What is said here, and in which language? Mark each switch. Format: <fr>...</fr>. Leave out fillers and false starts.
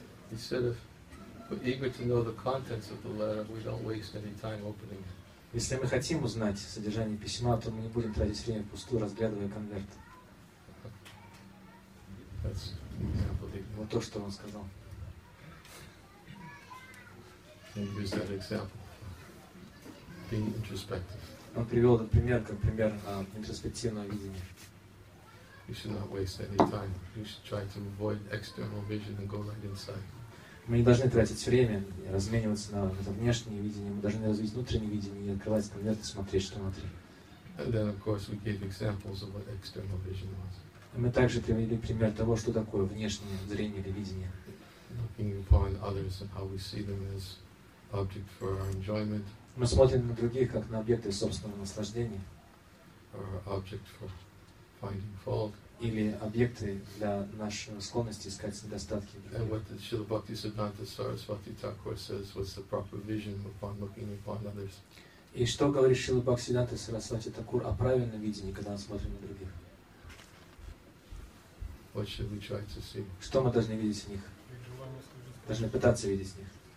<en>He said, if we're eager to know the contents of the letter, we don't waste any time opening it.</en> <ru>Если мы хотим узнать содержание письма, то мы не будем тратить время впустую, разглядывая конверт.</ru> <en>That's exactly.</en> <ru>Вот то, что он сказал.</ru> <en>And use that example. Being introspective.</en> <ru>Он привел этот пример как пример интроспективного видения.</ru> <en>You should not waste any time. You should try to avoid external vision and go right inside.</en> <ru>Мы не должны тратить время, размениваться на это внешнее видение. Мы должны развить внутреннее видение и открывать конверт и смотреть, что внутри.</ru> <en>And then, of course, we gave examples of what external vision was.</en> <ru>И мы также привели пример того, что такое внешнее зрение или видение.</ru> <en>Looking upon others and how we see them as object for our enjoyment.</en> <ru>Мы смотрим на других как на объекты собственного наслаждения.</ru> <en>Or object for finding fault.</en> <ru>Или объекты для нашей склонности искать недостатки.</ru> <en>And what did Srila Bhaktisiddhanta Sarasvati Thakur says was the proper vision upon looking upon others.</en> <ru>И что говорит Шрила Бхактисиддханта Сарасвати Такур о правильном видении, когда мы смотрим на других?</ru> <en>What should we try to see?</en> <ru>Что мы должны видеть в них? Должны пытаться видеть в них.</ru>